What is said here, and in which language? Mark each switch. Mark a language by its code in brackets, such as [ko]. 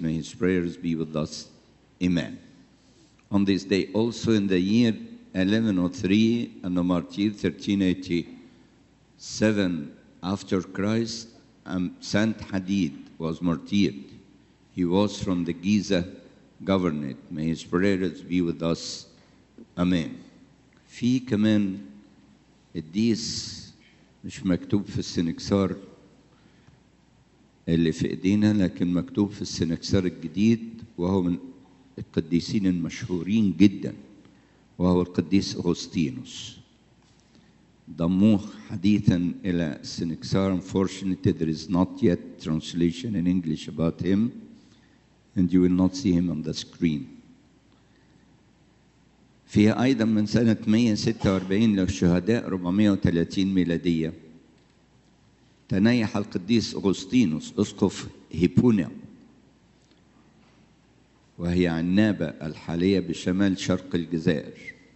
[en] May his prayers be with us. Amen. On this day also in the year 1103, Anno Martyr, 1387 after Christ, Saint Hadid was martyred. He was from the Giza governorate. May his prayers be with us. Amen. [ar] في كمان الديس مش مكتوب في السنكسار اللي في ايدينا لكن مكتوب في السنكسار الجديد وهو من القديسين المشهورين جدا وهو القديس أغسطينوس ضموه حديثا إلى السنكسار. [en] Unfortunately, there is not yet translation in English about him and you will not see him on the screen. [ar] فيها أيضا من سنة 146 للشهداء 430 ميلادية تنايح القديس أغسطينوس أسقف هيبونا وهي عنابة الحالية بشمال شرق الجزائر.